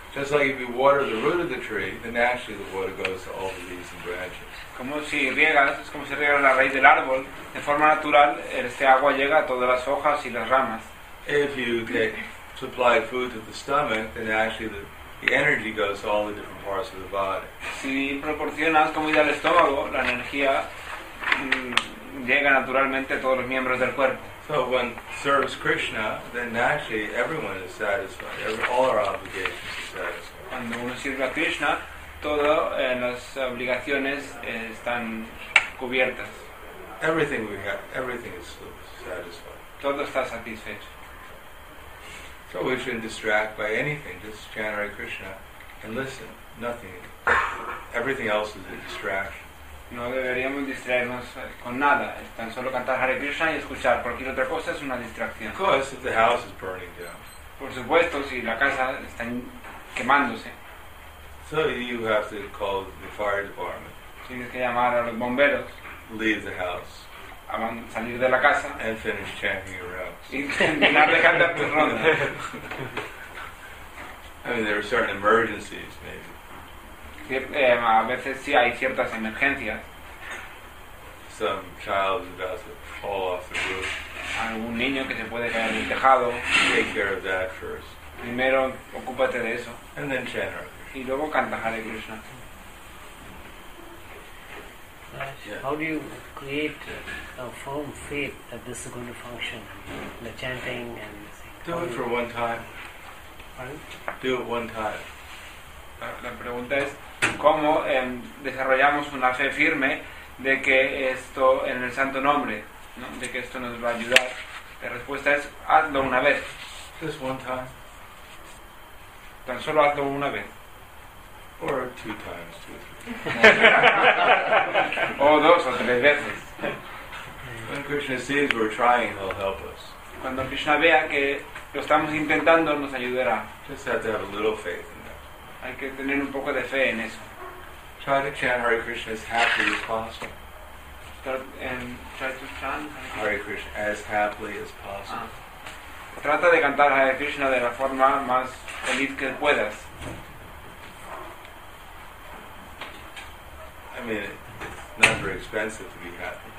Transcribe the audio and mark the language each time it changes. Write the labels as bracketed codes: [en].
[en] Just like if you water the root of the tree, then naturally the water goes to all the leaves and branches. [es] Como si riegas, es como si riegas la raíz del árbol, de forma natural, este agua llega a todas las hojas y las ramas. [en] If you supply food to the stomach, then actually the energy goes to all the different parts of the body. [es] Si proporcionas comida al estómago, la energía llega naturalmente a todos los miembros del cuerpo. [en] So when serves Krishna, then naturally everyone is satisfied. All our obligations are satisfied. [es] Cuando uno sirve a Krishna, todas las obligaciones están cubiertas. [en] Everything we have, everything is satisfied. [es] Todo está satisfecho. [en] So we shouldn't distract by anything. Just chant Hare Krishna and listen. Nothing. Everything else is a distraction. [es] No deberíamos distraernos con nada. Tan solo cantar Hare Krishna y escuchar. Cualquier otra cosa es una distracción. [en] Of course, if the house is burning down. [es] Por supuesto, si la casa está quemándose. [en] So you have to call the fire department. [es] Tienes que llamar a los bomberos. [en] Leave the house. [es] Salir de la casa. [en] And finish chanting your rounds. [es] Y terminar de cantar tu ronda. [en] I mean, there are certain emergencies, maybe. [es] A veces sí hay ciertas emergencias. [en] Some child is about to fall off the roof. [es] Algún niño que se puede caer del tejado. [en] Take care of that first. [es] Primero, ocúpate de eso. [en] And then chant. [es] Y luego canta Hare Krishna. Yeah. [en] How do you create a firm faith that this is going to function? The chanting and thing. Do it for one time. Pardon? Do it one time. [es] La pregunta es cómo desarrollamos una fe firme de que esto en el santo nombre, ¿no? De que esto nos va a ayudar. La respuesta es hazlo una vez. [en] Just one time. [es] Tan solo hazlo una vez. [en] Or two times, two or three. [es] O dos o tres veces. [en] When Krishna sees we're trying, he'll help us. [es] Cuando Krishna vea que lo estamos intentando, nos ayudará. [en] Just have to have a little faith in that. [es] Hay que tener un poco de fe en eso. [en] Try to chant Hare Krishna as happily as possible. Try to chant Hare Krishna as happily as possible. [es] Trata de cantar Hare Krishna de la forma más feliz que puedas. [en] I mean, it's not very expensive to be happy.